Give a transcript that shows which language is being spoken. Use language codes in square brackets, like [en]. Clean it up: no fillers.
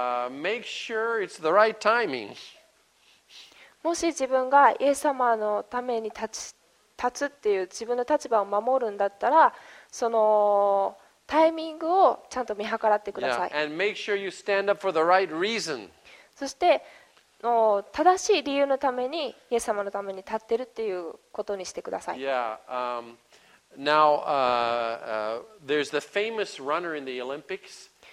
[en] Make sure it's the right timing. [ja] もし自分がイエス様のために立つっていう自分の立場を守るんだったら、そのタイミングをちゃんと見計らってください。 [en] Yeah. And make sure you stand up for the right reason. [ja] そして正しい理由のためにイエス様のために立ってるっていうことにしてください。 [en] Yeah. Now, there's the famous runner in the Olympics.